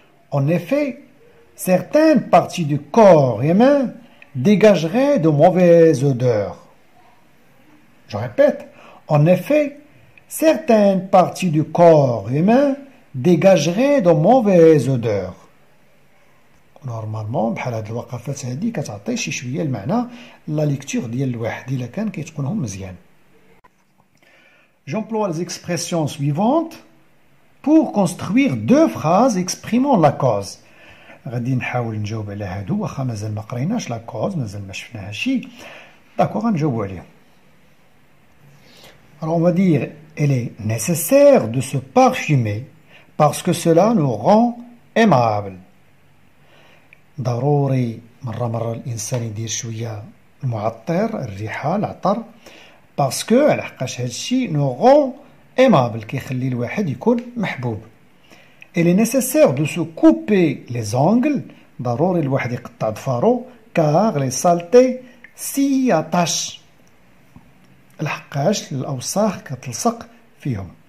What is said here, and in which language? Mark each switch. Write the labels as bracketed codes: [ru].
[fr] En effet, certaines parties du corps humain dégageraient de mauvaises odeurs. Je répète, en effet, certaines parties du corps humain dégageraient de mauvaises odeurs. [ar] نورمالمون بحال هاد الوقفات هادي كتعطي شي شويه المعنى لا ليكتور ديال الواحد الا كان كيتقنهم مزيان. [fr] J'emploie les expressions suivantes pour construire deux phrases exprimant la cause. [ar] غادي نحاول نجاوب على هادو واخا مازال ما قريناش لا كوز، مازال ما شفناها شي. داكوغ، غنجاوبو عليهم. [fr] Alors on va dire, il est nécessaire de se parfumer parce que cela nous rend aimable. [ar] ضروري مرة مرة الإنسان يدير شوية المعطر، الريحة، العطر. باسكو على حقاش هادشي نو غون ايمابل، كيخلي الواحد يكون محبوب. الي نيسيسير دو سو كوبي لي زونغل، ضروري الواحد يقطع ظفارو، كاغ لي سالتي سي اتاش، لحقاش الاوساخ كتلصق فيهم.